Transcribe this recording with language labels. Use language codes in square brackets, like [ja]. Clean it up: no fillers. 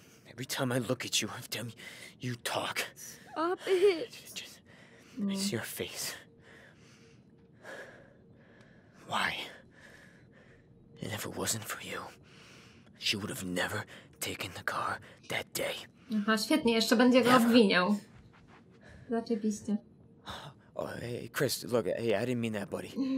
[en] Every time I look at you, I tell you talk. Stop it. I see your face. Why? And if it wasn't for you, she would have never taken the car that day. [pl] Aha, świetnie, jeszcze będzie go obwiniał. Zaczepiście. [en] Oh, hey, Chris, look, hey, I didn't mean that, buddy.